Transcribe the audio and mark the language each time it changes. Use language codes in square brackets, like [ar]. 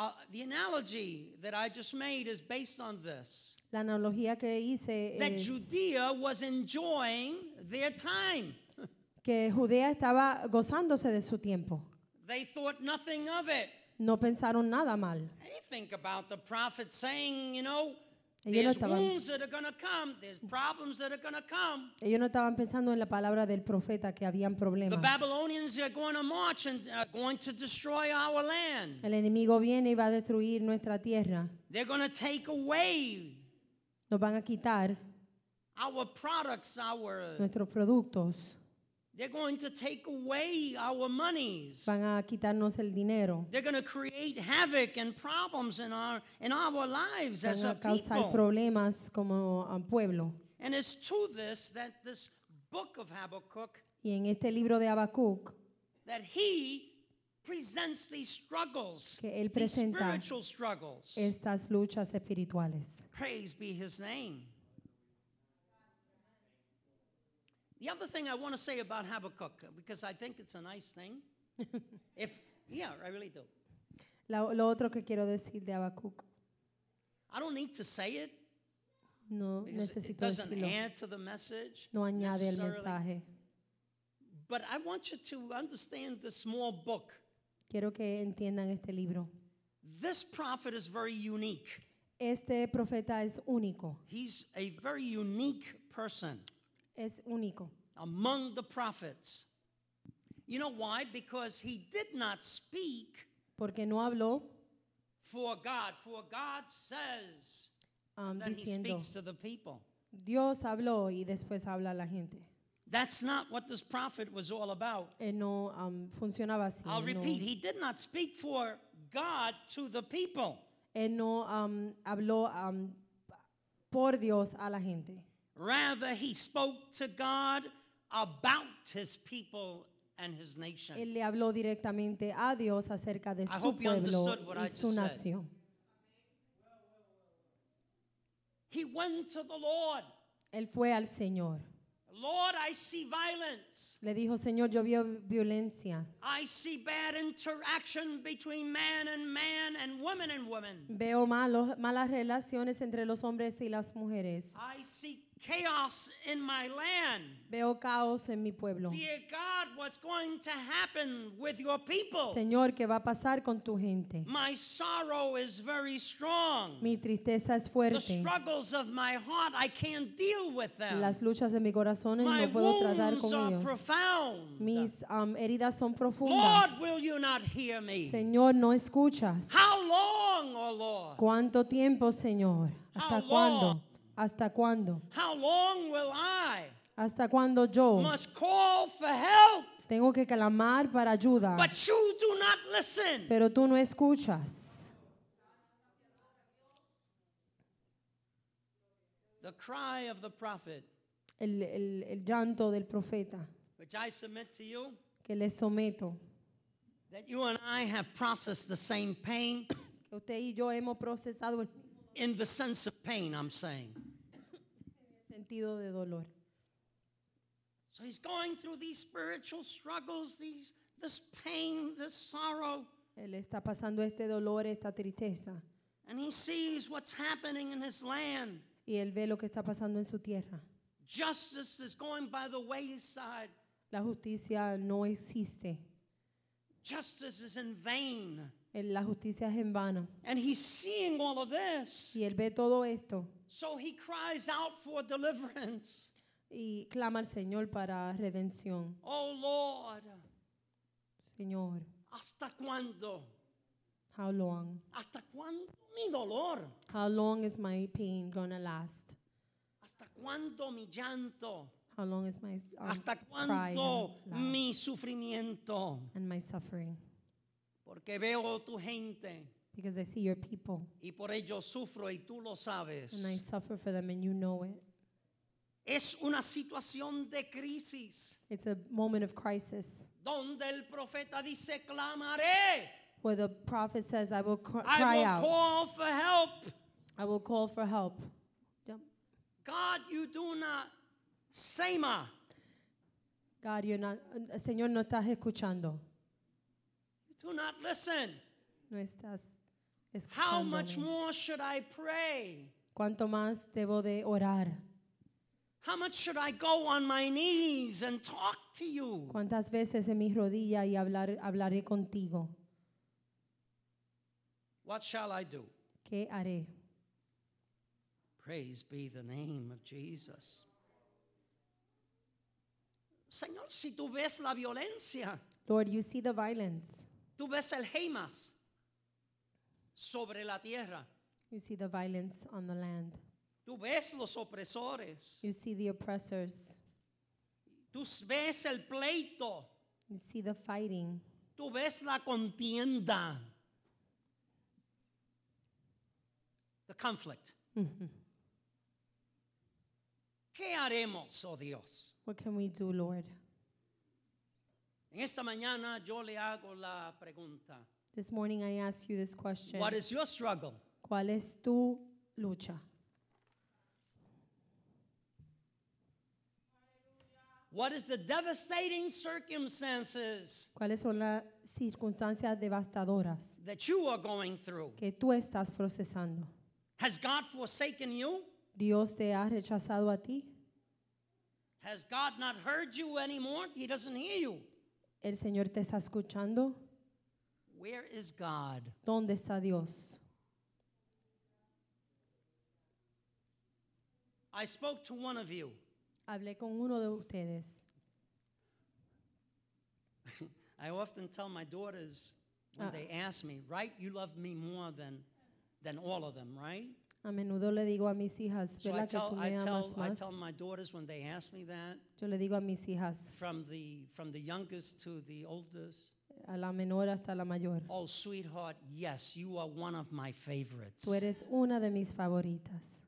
[en] The analogy that I just made is based on this. [es] La analogía que hice es [en] that Judea was enjoying their time. [es] Que Judea estaba gozándose de su tiempo. [en] They thought nothing of it. [es] No pensaron nada mal. [en] And you think about the prophet saying, you know, there's wounds that are going to come. There's problems that are going to come. [es] Ellos no estaban pensando en la palabra del profeta que habían problemas. [en] The Babylonians are going to march and are going to destroy our land. [es] El enemigo viene y va a destruir nuestra tierra. [en] They're going to take away. [es] Nos van a quitar. [en] Our products, our [es] nuestros productos. [en] They're going to take away our monies. [es] Van a quitarnos el dinero. [en] They're going to create havoc and problems in our lives [es] van [en] as a people. [es] Van a causar problemas como pueblo. [en] And it's to this that this book of Habakkuk. [es] Y en este libro de Habacuc. [en] That he presents these struggles. [es] Que él presenta [en] these spiritual struggles. [es] Estas luchas espirituales. [en] Praise be his name. The other thing I want to say about Habakkuk, because I think it's a nice thing. If, yeah, I really do. [es] Lo otro que quiero decir de Habakkuk. [en] I don't need to say it. [es] No, necesito decirlo. [en] It doesn't add to the message. [es] No añade al mensaje. [en] But I want you to understand this small book. [es] Quiero que entiendan este libro. [en] This prophet is very unique. [es] Este profeta es único. [en] He's a very unique person. [es] Es único. [en] Among the prophets. You know why? Because he did not speak. [es] Porque no habló. [en] For God. For God says. [es] Diciendo, [en] that he speaks to the people. [es] Dios habló y después habla a la gente. [en] That's not what this prophet was all about. [es] No, funcionaba así. [en] I'll repeat. He did not speak for God to the people. [es] No, habló por Dios a la gente. [en] Rather, he spoke to God about his people and his nation. [es] Él le habló directamente a Dios acerca de su pueblo y su nación. [en] He went to the Lord. [es] Él fue al Señor. [en] Lord, I see violence. [es] Le dijo, Señor, yo veo violencia. [en] I see bad interaction between man and man and woman and woman. [es] Veo malas relaciones entre los hombres y las mujeres. [en] I see chaos in my land. [es] Veo caos en mi pueblo. [en] Dear God, what's going to happen with your people? [es] Señor, ¿qué va a pasar con tu gente? [en] My sorrow is very strong. [es] Mi tristeza es fuerte. [en] The struggles of my heart, I can't deal with them. [es] Las luchas de mi corazón no puedo tratar con ellos. [en] My wounds are profound. [es] Mis heridas son profundas. [en] Lord, will you not hear me? [es] Señor, ¿no escuchas? [en] How long, oh Lord? [es] ¿Cuánto tiempo, Señor? ¿Hasta cuándo? ¿Hasta cuándo? [en] How long will I? [es] ¿Hasta cuándo yo? [en] Must call for help. [es] Tengo que clamar para ayuda. [en] But you do not listen. [es] Pero tú no escuchas. [en] The cry of the prophet. [es] El llanto del profeta. [en] Which I submit to you. [es] Que le someto. [en] That you and I have processed the same pain. [es] Que usted y yo hemos procesado el mismo. [en] In the sense of pain, I'm saying. [es] Sentido de dolor. [en] So he's going through these spiritual struggles, this pain, this sorrow. [es] Él está pasando este dolor, esta tristeza. [en] And he sees what's happening in his land. [es] Y él ve lo que está pasando en su tierra. [en] Justice is going by the wayside. [es] La justicia no existe. [en] Justice is in vain. [es] La justicia es en vano. [en] And he's seeing all of this. [es] Y él ve todo esto. [en] So he cries out for deliverance. [es] Y clama al Señor para redención. [en] Oh Lord. [es] Señor. ¿Hasta cuándo? [en] How long? [es] ¿Hasta cuándo mi dolor? [en] How long is my pain gonna last? [es] ¿Hasta cuándo mi llanto? [en] How long is my [es] ¿hasta cuándo mi sufrimiento? [en] And my suffering. [es] Porque veo tu gente. [en] Because I see your people. [es] Y por ello sufro y tú lo sabes. [en] And I suffer for them and you know it. [es] Es una situación de crisis. [en] It's a moment of crisis. [es] Donde el profeta dice, clamaré. [en] Where the prophet says, I will cry out. I will out. Call for help. I will call for help. Yep. God, you do not sema. God, you're not, [es] Señor, no estás escuchando. [en] Do not listen. [es] No estás escuchando. [en] How much more should I pray? [es] ¿Cuánto más debo de orar? [en] How much should I go on my knees and talk to you? [es] ¿Cuántas veces en mis rodillas y hablaré contigo? [en] What shall I do? [es] ¿Qué haré? [en] Praise be the name of Jesus. [es] Señor, si tú ves la violencia. [en] Lord, you see the violence. [es] Tú ves el Hamas sobre la tierra. [en] You see the violence on the land. [es] Tú ves los opresores. [en] You see the oppressors. [es] Tú ves el pleito. [en] You see the fighting. [es] Tú ves la contienda. [en] The conflict. [es] ¿Qué haremos, oh Dios? [en] What can we do, Lord? [es] En esta mañana yo le hago la pregunta. [en] This morning I ask you this question. What is your struggle? [es] ¿Cuál es tu lucha? [en] What is the devastating circumstances? [es] ¿Cuáles son las circunstancias devastadoras? [en] That you are going through. [es] Que tú estás procesando. [en] Has God forsaken you? [es] ¿Dios te ha rechazado a ti? [en] Has God not heard you anymore? He doesn't hear you. [es] ¿El Señor te está escuchando? [en] Where is God? [es] ¿Dónde está Dios? [en] I spoke to one of you. [es] Hablé con uno de ustedes. [en] I often tell my daughters when they ask me, right? You love me more than all of them, right? [es] A menudo le digo a mis hijas, ¿verdad que tú me amas más? [en] I tell my daughters when they ask me that. [es] Yo le digo a mis hijas. [en] From the youngest to the oldest. [es] A la menor hasta la mayor. [en] Oh, sweetheart, yes, you are one of my favorites. [es] Tú eres una de mis favoritas.